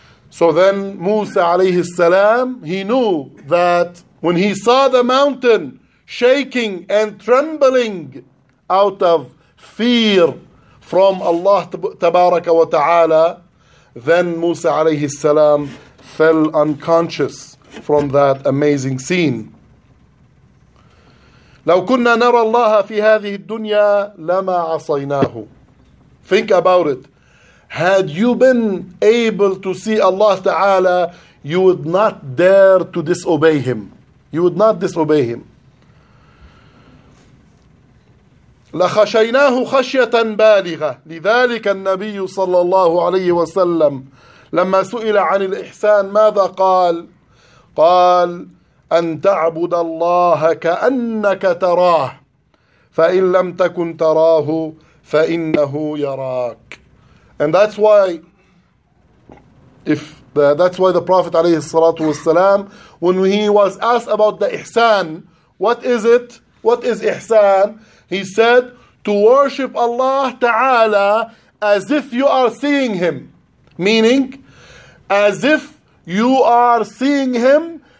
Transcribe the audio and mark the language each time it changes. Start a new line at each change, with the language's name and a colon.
English: So then Musa alayhi salam, he knew that when he saw the mountain shaking and trembling out of fear from Allah tabaraka wa ta'ala, then Musa alayhi salam fell unconscious from that amazing scene.
Arabic: لو كنا نرى الله في هذه الدنيا لما عصيناه.
English: Think about it. Had you been able to see Allah Ta'ala, you would not dare to disobey Him. You would not disobey Him.
Arabic: لخشيناه خشية بالغة. لذلك النبي صلى الله عليه وسلم لما سئل عن الإحسان ماذا قال؟ قال أن تعبد الله كأنك تراه، فإن لم تكن تراه فإنه يراك.
English: And that's why, the Prophet
Arabic: عليه الصلاة والسلام,
English: when he was asked about the إحسان, what is it? What is إحسان? He said to worship Allah تعالى as if you are seeing Him, meaning as if you are seeing Him.